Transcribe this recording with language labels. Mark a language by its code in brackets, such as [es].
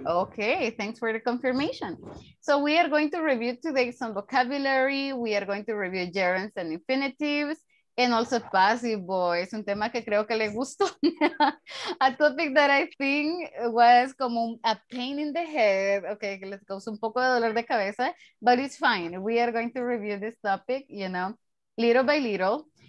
[en] Okay, thanks for the confirmation. So we are going to review today some vocabulary. We are going to review gerunds and infinitives and also passive voice. [es] Un tema que creo que le gustó. [en] A topic that I think was [es] como [en] a pain in the head. Okay, [es] que les causó un poco de dolor de cabeza. [en] But it's fine. We are going to review this topic, you know, little by little.